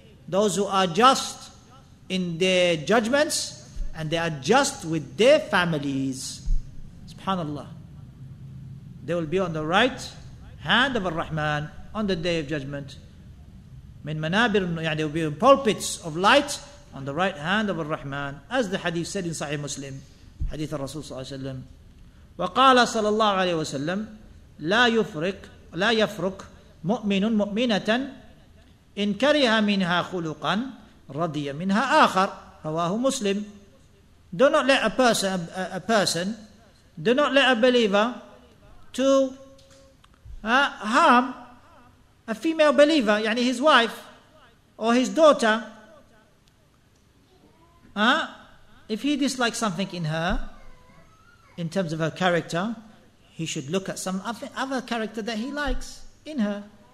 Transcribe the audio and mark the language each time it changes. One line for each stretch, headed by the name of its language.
English: Those who are just in their judgments and they are just with their families. SubhanAllah. They will be on the right hand of Ar-Rahman on the Day of Judgment.
Arabic: مِنْ مَنَابِرٍ.
English: They will be in pulpits of light on the right hand of Ar-Rahman. As the hadith said in Sahih Muslim, hadith of Rasul sallallahu alayhi wa sallam.
Arabic: وَقَالَ sallallahu alayhi wa sallam لَا يَفْرُكْ مُؤْمِنٌ مُؤْمِنَةً إن كره منها خلقا رضي منها آخر رواه مسلم.
English: Do not let a person, do not let a believer to harm a female believer, يعني his wife or his daughter. If he dislikes something in her, in terms of her character, he should look at some other character that he likes in her.